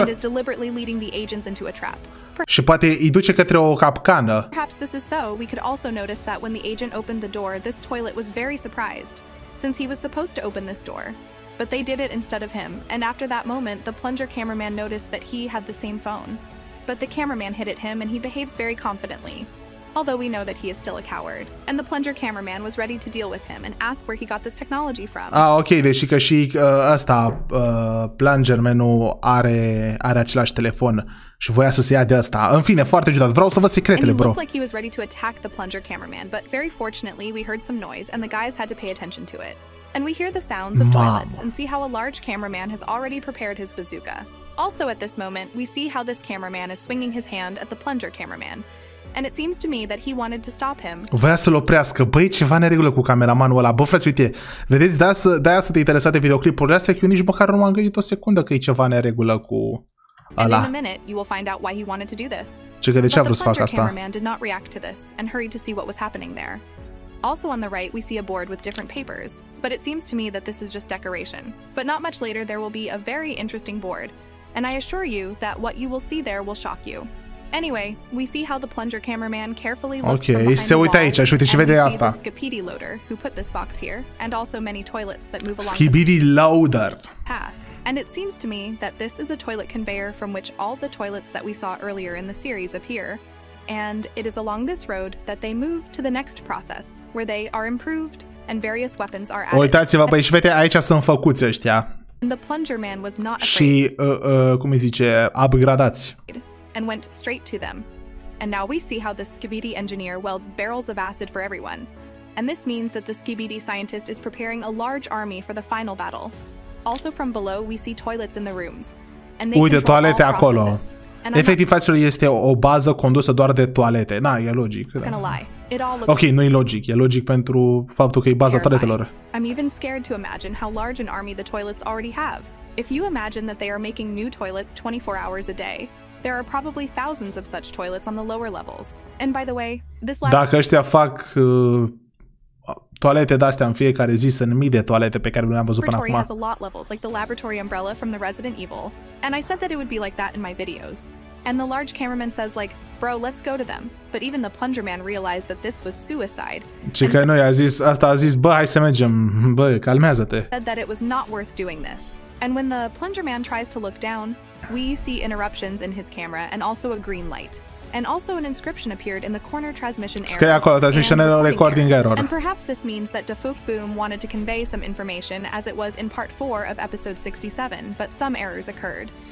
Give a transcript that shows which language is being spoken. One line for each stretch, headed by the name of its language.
English: And is deliberately leading the agents into a trap.
Romanian: Și poate îi duce către o capcană.
English: Perhaps this is so. We could also notice that when the agent opened the door, this toilet was very surprised, since he was supposed to open this door. But they did it instead of him. And after that moment, the plunger cameraman noticed that he had the same phone. But the cameraman hit at him and he behaves very confidently. Although we know that he is still a coward. And the plunger cameraman was ready to deal with him and ask where he got this technology from.
Romanian: Ah, ok, deși că și ăsta, plungermanul are același telefon și voia să se ia de ăsta. În fine, foarte ciudat, vreau să văd secretele, bro.
English: And he looked like he was ready to attack the plunger cameraman, but very fortunately we heard some noise and the guys had to pay attention to it. And we hear the sounds of toilets and see how a large cameraman has already prepared his bazooka. Also at this moment, we see how this cameraman is swinging his hand at the plunger cameraman. And it seems to me that he wanted to stop him.
Romanian: Voia să-l oprească. Băi, ceva neregulă cu cameramanul ăla. Bă, frate, uite, vedeți, de-aia să te interesate videoclipurile astea, că eu nici măcar nu m-am gândit o secundă că e ceva neregulă cu ăla.
English: And in a minute, you will find out why he wanted to do this.
Romanian: Ce că de ce a vrut să fac asta?
English: But the plunger cameraman did not react to this and hurried to see what was happening there. Also on the right, we see a board with different papers, but it seems to me that this is just decoration. But not much later, there will be a very interesting board, and I assure you that what you will see there will shock you. Anyway, we see how the plunger cameraman carefully looks from behind the wall,
Romanian: aici, uite, și vede asta.
English: The Skibidi loader, who put this box here, and also many toilets that move along Skibidi loader. The path. And it seems to me that this is a toilet conveyor from which all the toilets that we saw earlier in the series appear. And it is along this road that they move to the next process, where they are improved and various weapons are added.
Romanian: Uitați-vă, băi, și fete, aici sunt făcuți ăștia.
English: And the plunger man was not afraid.
Romanian: Și, cum îi zice, upgradați.
English: And went straight to them. And now we see how the Skibidi engineer welds barrels of acid for everyone. And this means that the Skibidi scientist is preparing a large army for the final battle. Also from below, we see toilets in the rooms. And they control all processes.
Romanian: Uite, toalete acolo. Efectiv, fraților, este o bază condusă doar de toalete. Da, e logic. Da. Ok, nu e logic. E logic pentru faptul că e baza toaletelor.
English: I'm even scared to imagine how large an army the toilets already have. If you imagine that they are making new toilets 24 hours a day, there are probably thousands of such toilets on the lower levels. And by the way, this lab...
Romanian: Dacă ăștia fac toalete de astea în fiecare zi, sunt mii de toalete pe care nu le-am văzut până acum.
English: Has a lot levels, like the laboratory umbrella from the Resident Evil. And I said that it would be like that in my videos. And the large cameraman says like, "Bro, let's go to them." But even the plunger man realized that this was suicide.
Romanian: Ce că noi a zis, asta a zis, "Bă, hai să mergem. Bă, calmează-te."
English: Said that it was not worth doing this. And when the plunger man tries to look down, we see interruptions in his camera and also a green light. And also an inscription appeared in the corner transmission error.
Romanian: Scrie acolo,
English: transmission error, recording error. And perhaps this means that Defook Boom wanted to convey some information as it was in part 4 of episode 67, but some errors occurred.